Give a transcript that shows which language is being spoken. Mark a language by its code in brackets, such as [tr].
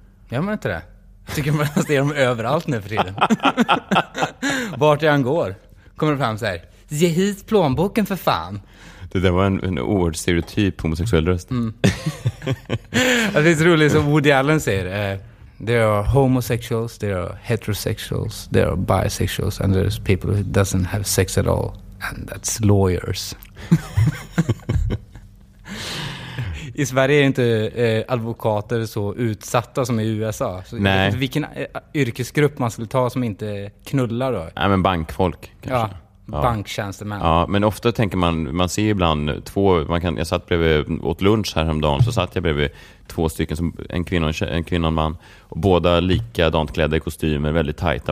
[sv] Gör man inte det? Jag tycker man att ser dem överallt nu för tiden. Vart jag än går kommer fram så här: ge hit plånboken för fan. Det där var en oerhört stereotyp homosexuell röst. Det är så roligt som Woody Allen säger. [en] There are homosexuals, there are heterosexuals, there are bisexuals, and there's people who doesn't have sex at all, and that's lawyers. [sv] I Sverige är inte advokater så utsatta som i USA. Så nej. Vilken yrkesgrupp man skulle ta som inte knullar då? Nej, men bankfolk kanske. Ja. Banktjänstemän. Ja, men ofta tänker man ser ibland två, jag satt bredvid, åt lunch här om dagen, så satt jag bredvid två stycken, som en kvinna och en man, och båda likadant klädda i kostymer, väldigt tajta.